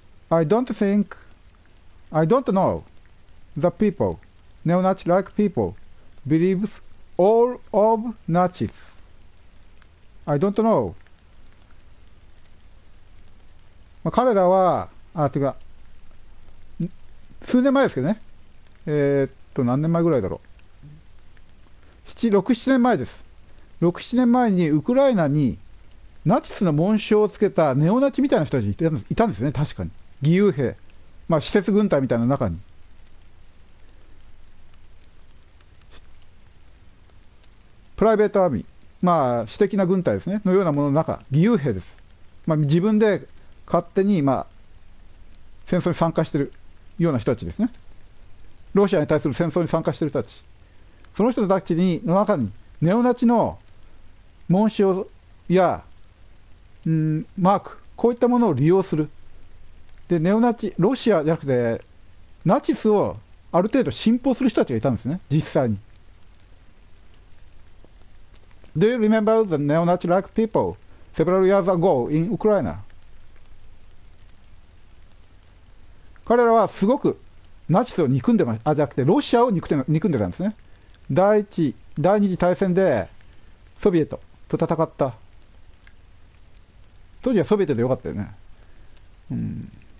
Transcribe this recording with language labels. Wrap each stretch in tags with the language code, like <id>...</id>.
<en>I don't know the people, neo-Nazi-like people, believes all of Nazis. I don't know.</en> <ja>まあ、彼らは、というか、数年前ですけどね。何年前ぐらいだろう。6、7年前です。 6、7年前にウクライナにナチスの紋章をつけたネオナチみたいな人たちがいたんですよね、確かに。義勇兵。まあ、施設軍隊みたいな中に。プライベートアーミー。まあ、私的な軍隊ですね。のようなものの中。義勇兵です。まあ、自分で勝手に、まあ、戦争に参加してる。ような人たちですね。ロシアに対する戦争に参加している人たち、その人たちにの中にネオナチの紋章や、マーク、こういったものを利用する。でネオナチ、ロシアじゃなくてナチスをある程度信奉する人たちがいたんですね、実際に。</ja> <en>Do you remember the neo-Nazi-like people several years ago in Ukraine?</en> <ja>彼らはすごくナチスを憎んでまあじゃなくてロシアを憎んでたんですね。第二次大戦でソビエトと戦った。当時はソビエトでよかったよね。うん。</ja>